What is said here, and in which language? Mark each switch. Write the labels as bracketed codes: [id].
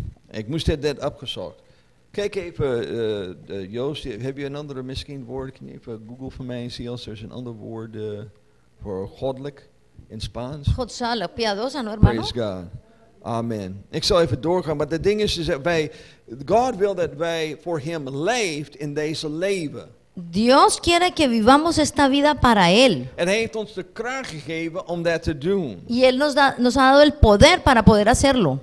[nl] Ik moest dit net opgezocht. Kijk even, Joost, heb je een andere misschien woord? Kan je even Google voor mij zien als er een ander woord voor goddelijk in Spaans? [es] Godzalig, piadosa, no, hermano? [en] Praise God. Amen. [nl] Ik zal even doorgaan, maar het ding is dat wij, God wil dat wij voor hem leven in deze leven. [es] Dios quiere que vivamos esta vida para Él. [nl] Él heeft ons de kracht gegeven om dat te doen. [es] Y Él nos ha dado el poder para poder hacerlo.